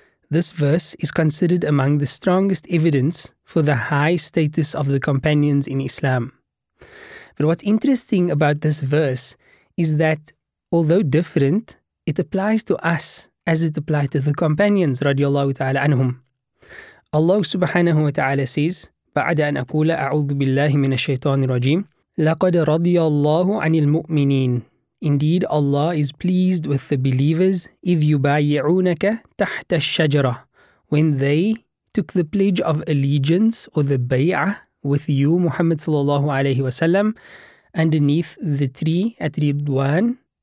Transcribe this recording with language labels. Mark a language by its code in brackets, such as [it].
[en] This verse is considered among the strongest evidence for the high status of the companions in Islam. But what's interesting about this verse is that, although different, it applies to us as it applied to the companions, radiallahu ta'ala anhum. Allah subhanahu wa ta'ala says, [ar] بعد أن أقول أعوذ بالله من الشيطان الرجيم لقد رضي الله عن المؤمنين. [en] Indeed, Allah is pleased with the believers [ar] إذ يبايعونك تحت الشجرة, [en] when they took the pledge of allegiance or the bay'ah with you, Muhammad sallallahu alayhi wa sallam, underneath the tree at Ridwan.